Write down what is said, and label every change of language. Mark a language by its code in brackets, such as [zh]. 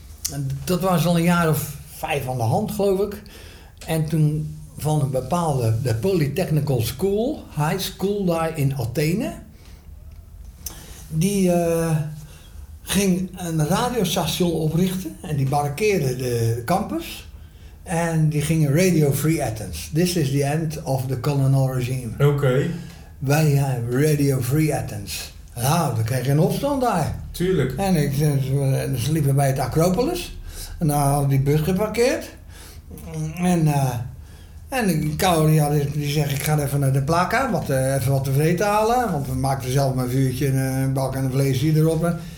[nl] En dat was al een jaar of 5 aan de hand, geloof ik. En toen van een bepaalde, de Polytechnical School, high school daar in Athene, die ging een radiostation oprichten en die barrikeerde de campus en die gingen Radio Free Athens. [en] This is the end of the colonial regime. Oké. Okay. [nl] Wij hebben Radio Free Athens. Nou, dan kreeg je een opstand daar. Tuurlijk. En ze liepen bij het Acropolis en daar hadden die bus geparkeerd en de koude, ja, die zegt, ik ga even naar de plaka, even wat te vreten halen, want we maakten zelf mijn vuurtje en een bak en een vlees hierop.